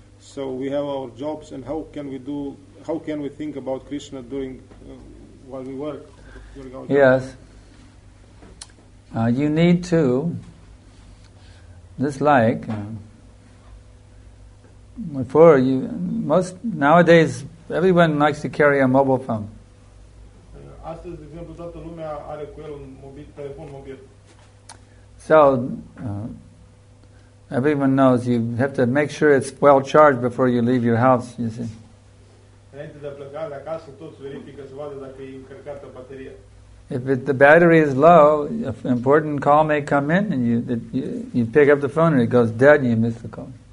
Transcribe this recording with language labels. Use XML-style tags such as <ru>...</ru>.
<en>So we have our jobs, and how can we think about Krishna during while we work? Yes. You need to just like before you most nowadays everyone likes to carry a mobile phone.</en> <ro>Astăzi, de exemplu, toată lumea are cu el un telefon mobil.</ro> <en>So everyone knows you have to make sure it's well charged before you leave your house, you see.</en> <ro>Înainte de a pleca de acasă, toți verifică să vadă dacă e încărcată bateria.</ro> <en>If the battery is low, an important call may come in and you pick up the phone and it goes dead and you miss the call.</en>